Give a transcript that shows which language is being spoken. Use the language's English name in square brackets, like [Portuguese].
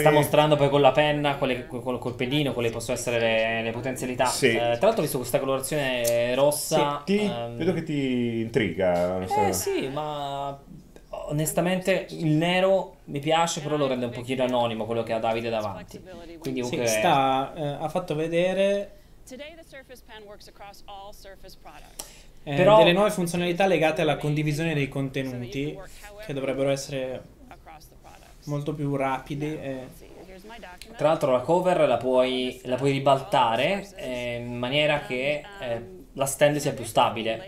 [Italian] Sta mostrando poi con la penna, col pennino, quelle possono essere le potenzialità. Sì. Tra l'altro ho visto questa colorazione rossa. Sì, vedo che ti intriga. Sì, ma onestamente il nero mi piace, però lo rende un pochino anonimo quello che ha Davide davanti. Quindi sì, ha fatto vedere... [English] Today the Surface Pen works across all Surface products. [Italian] Però delle nuove funzionalità legate alla condivisione dei contenuti, che dovrebbero essere molto più rapidi. Tra l'altro la cover la puoi ribaltare in maniera che la stand sia più stabile.